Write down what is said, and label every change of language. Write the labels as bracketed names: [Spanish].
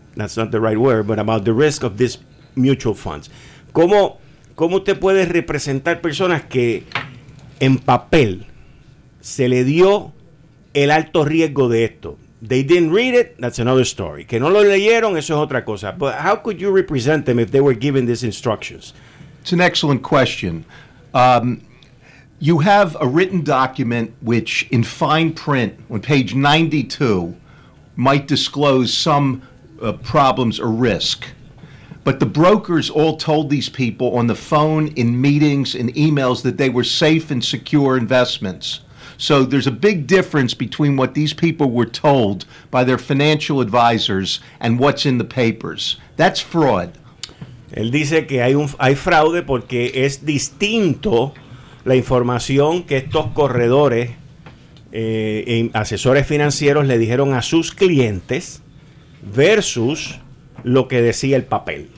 [English] That's not the right word, but about the risk of these mutual funds. [Spanish] ¿Cómo usted puede representar personas que en papel se le dio el alto riesgo de esto? [English] They didn't read it, that's another story. [Spanish] Que no lo leyeron, eso es otra cosa. [English] But how could you represent them if they were given these instructions? It's an excellent question. You have a written document which in fine print on page 92 might disclose some problems or risk. But the brokers all told these people on the phone, in meetings, in emails, that they were safe and secure investments. So there's a big difference between what these people were told by their financial advisors and what's in the papers. That's fraud. [Spanish] Él dice que hay fraude porque es distinto la información que estos corredores, asesores financieros le dijeron a sus clientes versus lo que decía el papel.